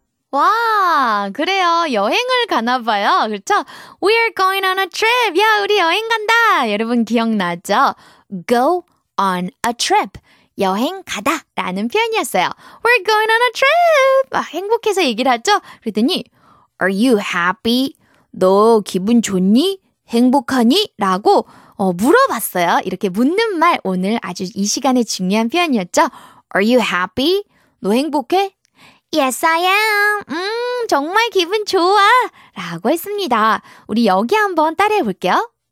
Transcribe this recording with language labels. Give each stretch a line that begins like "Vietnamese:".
Korean: 와, 그래요. 여행을 가나 봐요. 그렇죠?
English: We are going on a trip.
Korean: 야, 우리 여행 간다. 여러분 기억나죠?
English: Go on a trip.
Korean: 여행 가다 라는 표현이었어요.
English: We're going on a trip.
Korean: 아, 행복해서 얘기를 하죠. 그랬더니
English: Are you happy?
Korean: 너 기분 좋니? 행복하니? 라고 물어봤어요. 이렇게 묻는 말 오늘 아주 이 시간에 중요한 표현이었죠.
English: Are you happy?
Korean: 너 행복해?
English: Yes, I am.
Korean: 정말 기분 좋아. 라고 했습니다. 우리 여기 한번 따라해 볼게요.